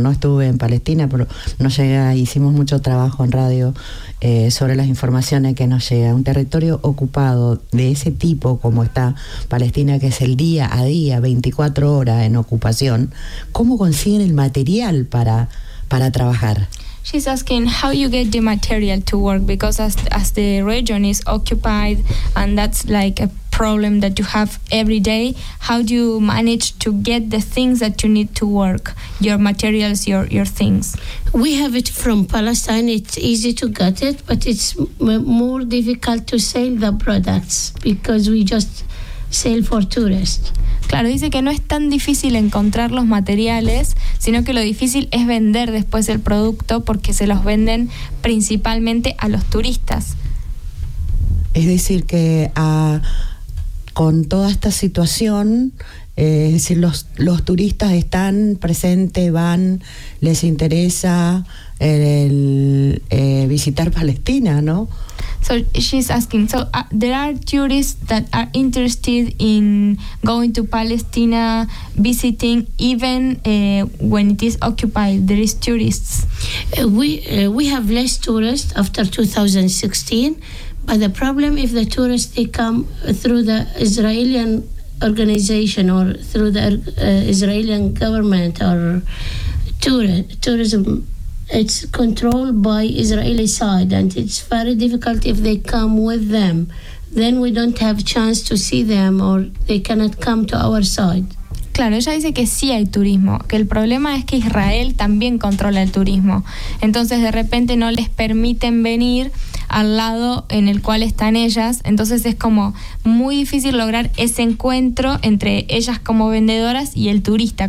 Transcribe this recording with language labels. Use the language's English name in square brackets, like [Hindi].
[Spanish] No estuve en Palestina, pero no llegué, hicimos mucho trabajo en radio sobre las informaciones que nos llegan. Un territorio ocupado de ese tipo, como está Palestina, que es el día a día, 24 horas en ocupación, ¿cómo consiguen el material para trabajar? [English] She's asking how you get the material to work, because as the region is occupied and that's like a problem that you have every day, how do you manage to get the things that you need to work, your materials, your things? We have it from Palestine, it's easy to get it, but it's more difficult to sell the products because we just sell for tourists. [Spanish] Claro, dice que no es tan difícil encontrar los materiales, sino que lo difícil es vender después el producto porque se los venden principalmente a los turistas. Es decir, que con toda esta situación, es decir, los turistas están presentes, van, les interesa visitar Palestina, ¿no? [English] So she's asking, so there are tourists that are interested in going to Palestine, visiting, even when it is occupied, there is tourists. We have less tourists after 2016, but the problem if the tourists, they come through the Israeli organization or through the Israeli government or tourism, it's controlled by Israeli side and it's very difficult if they come with them. Then we don't have chance to see them or they cannot come to our side. [Spanish] Claro, ella dice que sí hay turismo, que el problema es que Israel también controla el turismo. Entonces, de repente no les permiten venir al lado en el cual están ellas. Entonces, es como muy difícil lograr ese encuentro entre ellas como vendedoras y el turista.